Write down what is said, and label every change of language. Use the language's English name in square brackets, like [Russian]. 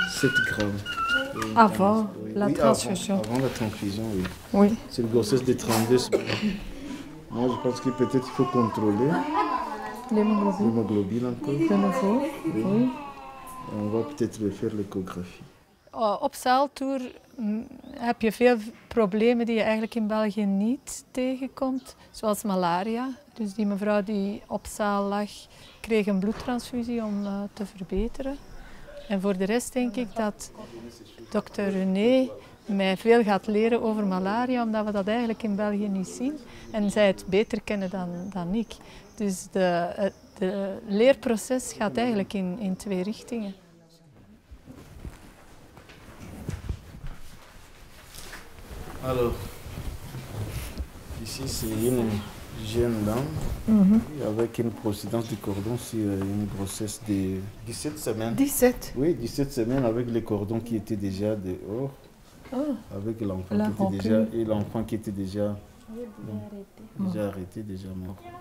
[French] 7 grammes. Avant la transfusion. Avant la transfusion, oui. Oui. C'est une grossesse de 32 semaines. Moi, je pense que peut-être il faut contrôler l'hémoglobine encore. De nouveau. Oui. On va peut-être refaire l'échographie. [Dutch] Op zaaltour heb je veel problemen die je eigenlijk in België niet tegenkomt, zoals malaria. Dus die mevrouw die op zaal lag, kreeg een bloedtransfusie om te verbeteren. En voor de rest denk ik dat dokter René mij veel gaat leren over malaria, omdat we dat eigenlijk in België niet zien. En zij het beter kennen dan ik. Dus de leerproces gaat eigenlijk in 2 richtingen. [French] Hallo, ici c'est une jeune dame avec une procédance du cordon sur une grossesse de 17 semaines. 17? Oui, 17 semaines avec le cordon qui était déjà dehors, avec l'enfant qui était déjà, et l'enfant qui était déjà, déjà arrêté, déjà mort.